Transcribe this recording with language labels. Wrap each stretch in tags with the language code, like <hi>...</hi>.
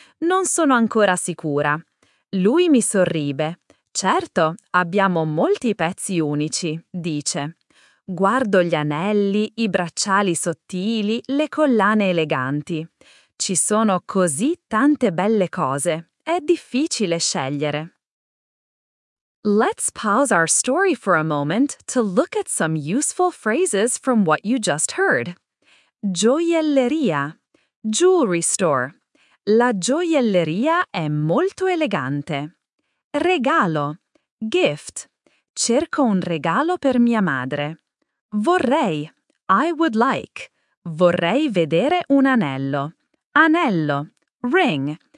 <it>Non sono ancora sicura». Lui mi sorride. «Certo, abbiamo molti pezzi unici», dice. Guardo gli anelli, i bracciali sottili, le collane eleganti. Ci sono così tante belle cose. È difficile scegliere.</it> <en>Let's pause our story for a moment to look at some useful phrases from what you just heard. Gioielleria. Jewelry store.</en> <it>La gioielleria è molto elegante. Regalo. Gift. Cerco un regalo per mia madre. Vorrei.</it> <en>I would like.</en> <it>Vorrei vedere un anello. Anello. Ring.</it>